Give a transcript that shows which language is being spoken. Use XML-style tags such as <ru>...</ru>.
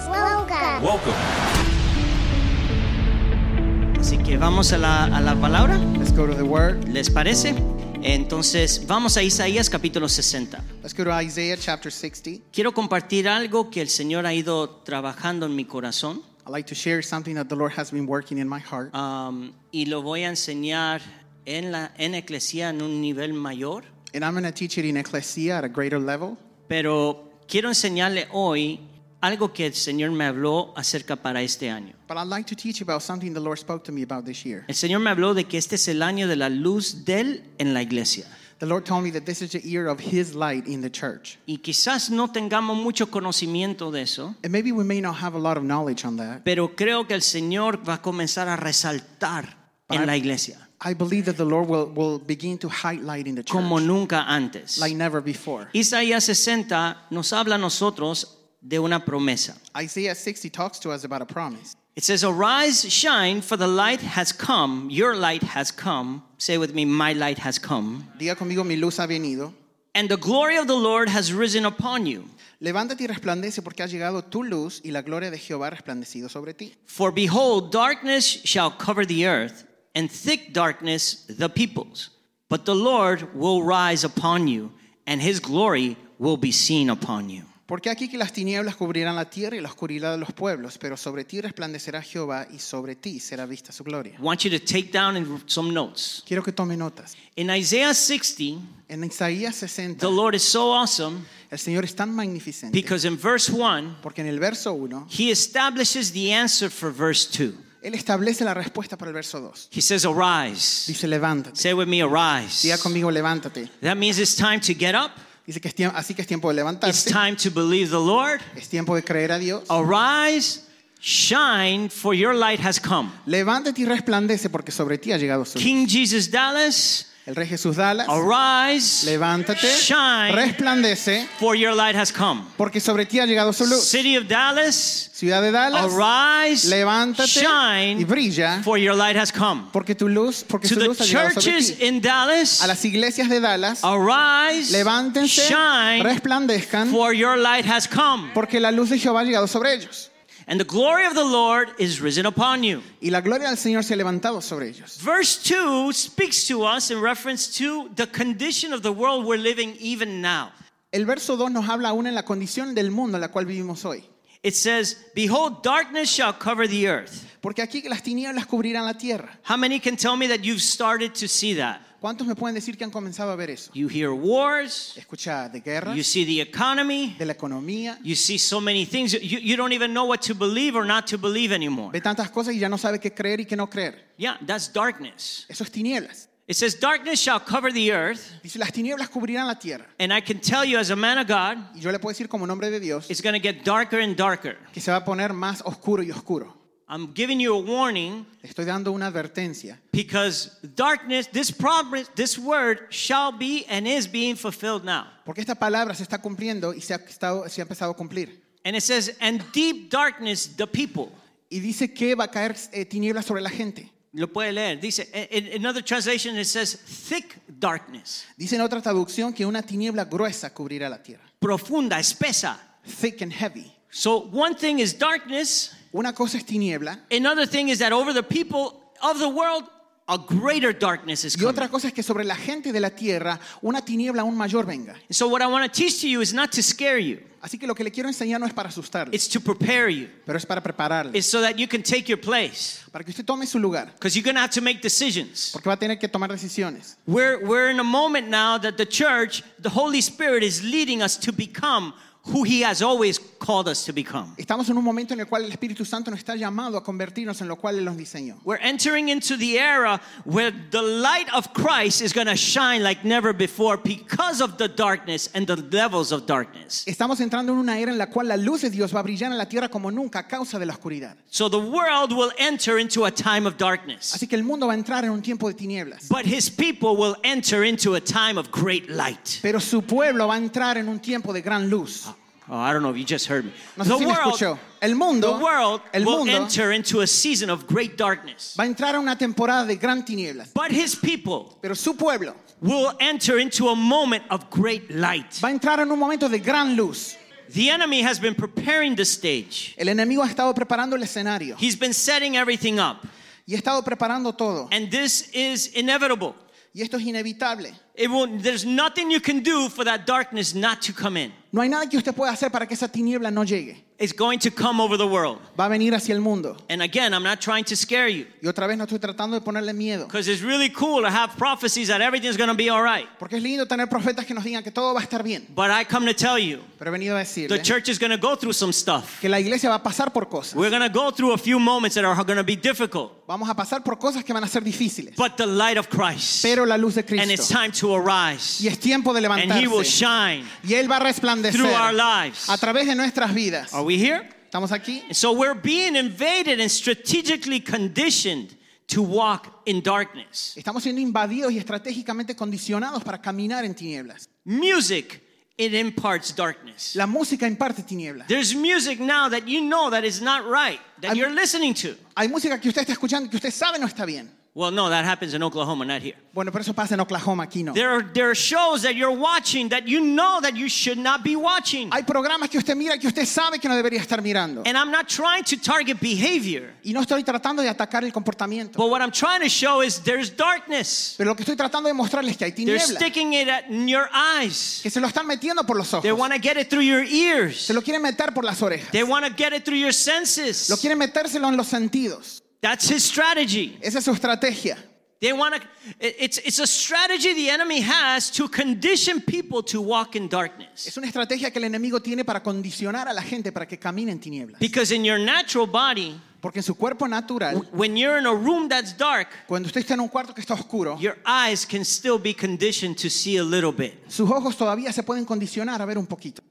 <en>Welcome.</en> <es>Así que vamos a la palabra.</es> <en>Let's go to the word.</en> <es>¿Les parece? Entonces vamos a Isaías capítulo 60.</es> <en>Let's go to Isaiah chapter 60.</en> <es>Quiero compartir algo que el Señor ha ido trabajando en mi corazón.</es> <en>I'd like to share something that the Lord has been working in my heart.</en> <es>Y lo voy a enseñar en Ecclesia en un nivel mayor.</es> <en>And I'm going to teach it in Ecclesia at a greater level.</en> <es>Pero quiero enseñarle hoy algo que el Señor me habló acerca para este año.</es> <en>But I'd like to teach you about something the Lord spoke to me about this year.</en> <es>El Señor me habló de que este es el año de la luz de Él en la iglesia.</es> <en>The Lord told me that this is the year of His light in the church.</en> <es>Y quizás no tengamos mucho conocimiento de eso.</es> <en>And maybe we may not have a lot of knowledge on that.</en> <es>Pero creo que el Señor va a comenzar a resaltar en la iglesia.</es> <en>I believe that the Lord will begin to highlight in the church.</en> <es>Como nunca antes.</es> <en>Like never before.</en> <es>Isaías 60 nos habla a nosotros de una promesa.</es> <en>Isaiah 60 talks to us about a promise. It says, "Arise, shine, for the light has come. Your light has come." Say with me, "My light has come."</en> <es>Diga conmigo, mi luz ha venido.</es> <en>"And the glory of the Lord has risen upon you."</en> <es>Levántate y resplandece porque ha llegado tu luz y la gloria de Jehová ha resplandecido sobre ti.</es> <en>"For behold, darkness shall cover the earth and thick darkness the peoples. But the Lord will rise upon you and his glory will be seen upon you."</en> <es>Porque aquí que las tinieblas cubrirán la tierra y la oscuridad de los pueblos, pero sobre ti resplandecerá Jehová y sobre ti será vista su gloria.</es> <en>I want you to take down some notes.</en> <es>Quiero que tome notas.</es> <en>In Isaiah 60,</en> <es>en Isaías 60,</es> <en>the Lord is so awesome.</en> <es>El Señor es tan magnificente.</es> <en>Because in verse 1,</en> <es>porque en el verso 1,</es> <en>He establishes the answer for verse 2.</en> <es>Él establece la respuesta para el verso 2.</es> <en>He says, "Arise."</en> <es>Dice, levántate.</es> <en>Say with me, "Arise."</en> <es>Diga conmigo, levántate.</es> <en>That means it's time to get up.</en> <es>Dice que es tiempo de levantarse.</es> <en>It's time to believe the Lord.</en> <es>Es tiempo de creer a Dios.</es> <en>"Arise, shine, for your light has come."</en> <es>Levántate y resplandece porque sobre ti ha llegado su luz.</es> <en>King Jesus Dallas.</en> <es>El Rey Jesús Dallas.</es> <en>"Arise,</en> <es>levántate,</es> <en>shine,</en> <es>resplandece,</es> <en>for your light has come."</en> <es>Porque sobre ti ha llegado su luz.</es> <en>City of Dallas.</en> <es>Ciudad de Dallas.</es> <en>"Arise,</en> <es>levántate,</es> <en>shine,</en> <es>y brilla,</es> <en>for your light has come."</en> <es>Porque tu luz, porque</es> <en>to</en> <es>su luz</es> <en>the</en> <es>ha llegado</es> <en>churches</en> <es>sobre ti.</es> <en>In Dallas.</en> <es>A las iglesias de Dallas.</es> <en>"Arise,</en> <es>levántense,</es> <en>shine,</en> <es>resplandezcan,</es> <en>for your light has come."</en> <es>Porque la luz de Jehová ha llegado sobre ellos.</es> <en>"And the glory of the Lord is risen upon you."</en> <es>Y la gloria del Señor se ha levantado sobre ellos.</es> <en>Verse 2 speaks to us in reference to the condition of the world we're living even now.</en> <es>El verso 2 nos habla aún en la condición del mundo en la cual vivimos hoy.</es> <en>It says, "Behold, darkness shall cover the earth."</en> <es>Porque aquí las tinieblas cubrirán la tierra.</es> <en>How many can tell me that you've started to see that?</en> <es>¿Cuántos me pueden decir que han comenzado a ver eso?</es> <en>You hear wars.</en> <es>Escucha de guerras.</es> <en>You see the economy.</en> <es>De la economía.</es> <en>You see so many things. You don't even know what to believe or not to believe anymore.</en> <es>Ve tantas cosas y ya no sabe qué creer y qué no creer.</es> <en>Yeah, that's darkness.</en> <es>Eso es tinieblas.</es> <en>It says, "Darkness shall cover the earth."</en> <es>Dice, las tinieblas cubrirán la tierra.</es> <en>And I can tell you, as a man of God,</en> <es>y yo le puedo decir como nombre de Dios,</es> <en>it's going to get darker and darker.</en> <es>Que se va a poner más oscuro y oscuro.</es> <en>I'm giving you a warning.</en> <es>Estoy dando una advertencia.</es> <en>Because darkness, this promise, this word shall be and is being fulfilled now.</en> <es>Porque esta palabra se está cumpliendo y se ha empezado a cumplir.</es> <en>And it says, "And deep darkness the people."</en> <es>Y dice que va a caer tinieblas sobre la gente. Lo puede leer. Dice,</es> <en>in another translation it says, "Thick darkness."</en> <es>Dice en otra traducción que una tiniebla gruesa cubrirá la tierra. Profunda, espesa.</es> <en>Thick and heavy. So one thing is darkness.</en> <es>Una cosa es tiniebla.</es> <en>Another thing is that over the people of the world, a greater darkness is coming.</en> <es>Y otra cosa es que sobre la gente de la tierra, una tiniebla aún mayor venga.</es> <en>So what I want to teach to you is not to scare you.</en> <es>Así que lo que le quiero enseñar no es para asustarle.</es> <en>It's to prepare you.</en> <es>Pero es para prepararle.</es> <en>It's so that you can take your place.</en> <es>Para que usted tome su lugar.</es> <en>Because you're going to have to make decisions.</en> <es>Porque va a tener que tomar decisiones.</es> <en>We're in a moment now that the church, the Holy Spirit, is leading us to become who he has always called us to become.</en> <es>Estamos en un momento en el cual el Espíritu Santo nos está llamado a convertirnos en lo cual él nos diseñó.</es> <en>We're entering into the era where the light of Christ is going to shine like never before because of the darkness and the levels of darkness.</en> <es>Estamos entrando en una era en la cual la luz de Dios va a brillar en la tierra como nunca a causa de la oscuridad.</es> <en>So the world will enter into a time of darkness.</en> <es>Así que el mundo va a entrar en un tiempo de tinieblas.</es> <en>But his people will enter into a time of great light.</en> <es>Pero su pueblo va a entrar en un tiempo de gran luz.</es> <en>Oh, I don't know if you just heard me.</en> <es>No sé si me escuchó. El mundo,</es> <en>the world will enter into a season of great darkness.</en> <es>Va a entrar a una temporada de gran tinieblas.</es> <en>But his people,</en> <es>pero su pueblo,</es> <en>will enter into a moment of great light.</en> <es>Va a entrar en un momento de gran luz.</es> <en>The enemy has been preparing the stage.</en> <es>El enemigo ha estado preparando el escenario.</es> <en>He's been setting everything up.</en> <es>Y ha estado preparando todo.</es> <en>And this is inevitable.</en> <es>Y esto es inevitable.</es> <en>It won't, there's nothing you can do for that darkness not to come in.</en> <es>No hay nada que usted pueda hacer para que esa tiniebla no llegue.</es> <en>It's going to come over the world.</en> <es>Va a venir hacia el mundo.</es> <en>And again, I'm not trying to scare you.</en> <es>Y otra vez no estoy tratando de ponerle miedo.</es> <en>Because it's really cool to have prophecies that everything's going to be all right.</en> <es>Porque es lindo tener profetas que nos digan que todo va a estar bien.</es> <en>But I come to tell you.</en> <es>Pero he venido a decirle.</es> <en>The church is going to go through some stuff.</en> <es>Que la iglesia va a pasar por cosas.</es> <en>We're going to go through a few moments that are going to be difficult.</en> <es>Vamos a pasar por cosas que van a ser difíciles.</es> <en>But the light of Christ.</en> <es>Pero la luz de Cristo.</es> <en>And it's time to arise.</en> <es>Y es tiempo de levantarse.</es> <en>And he will shine.</en> <es>Y él va a resplandecer.</es> <en>Through our lives.</en> <es>A través de nuestras vidas.</es> <en>Are we here?</en> <es>Estamos aquí.</es> <en>So we're being invaded and strategically conditioned to walk in darkness.</en> <es>Estamos siendo invadidos y estratégicamente condicionados para caminar en tinieblas.</es> <en>Music, it imparts darkness.</en> <es>La música imparte tinieblas.</es> <en>There's music now that you know that is not right, that you're listening to.</en> <es>Hay música que usted está escuchando que usted sabe no está bien.</es> <en>Well, no, that happens in Oklahoma, not here.</en> <es>Bueno, pero eso pasa en Oklahoma, aquí no.</es> <en>There are shows that you're watching that you know that you should not be watching.</en> <es>Hay programas que usted mira que usted sabe que no debería estar mirando.</es> <en>And I'm not trying to target behavior.</en> <es>Y no estoy tratando de atacar el comportamiento.</es> <en>But what I'm trying to show is there's darkness.</en> <es>Pero lo que estoy tratando de mostrarles es que hay tinieblas.</es> <en>They're sticking it in your eyes.</en> <es>Que se lo están metiendo por los ojos.</es> <en>They want to get it through your ears.</en> <es>Se lo quieren meter por las orejas.</es> <en>They want to get it through your senses.</en> <es>Lo quieren metérselo en los sentidos.</es> <en>That's his strategy.</en> <es>Esa es su estrategia.</es> <en>They want to. It's a strategy the enemy has to condition people to walk in darkness.</en> <es>Es una estrategia que el enemigo tiene para condicionar a la gente para que camine en tinieblas.</es> <en>Because in your natural body,</en> <es>porque en su cuerpo natural,</es> <en>when you're in a room that's dark,</en> <es>cuando usted está en un cuarto que está oscuro,</es> <en>your eyes can still be conditioned to see a little bit.</en> <es>Sus ojos todavía se pueden condicionar a ver un poquito.</es>